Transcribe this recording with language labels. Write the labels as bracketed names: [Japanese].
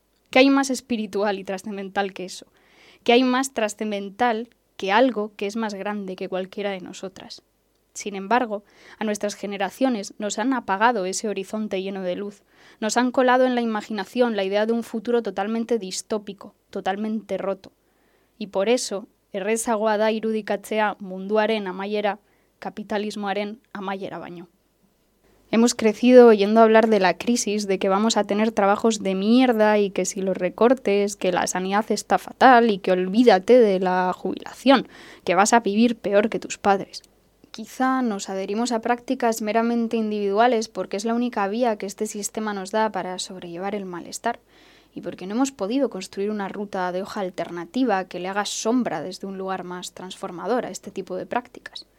[Spanish] ¿Qué hay más espiritual y trascendental que eso? ¿Qué hay más trascendental que algo que es más grande que cualquiera de nosotras? Sin embargo, a nuestras generaciones nos han apagado ese horizonte lleno de luz. Nos han colado en la imaginación la idea de un futuro totalmente distópico, totalmente roto. Y por eso, [Basque] errezagoa da irudikatzea munduaren amaiera, kapitalismoaren amaiera baino. [Spanish] Hemos crecido oyendo hablar de la crisis, de que vamos a tener trabajos de mierda y que si los recortes, que la sanidad está fatal y que olvídate de la jubilación, que vas a vivir peor que tus padres. Quizá nos adherimos a prácticas meramente individuales porque es la única vía que este sistema nos da para sobrellevar el malestar y porque no hemos podido construir una ruta de hoja alternativa que le haga sombra desde un lugar más transformador a este tipo de prácticas.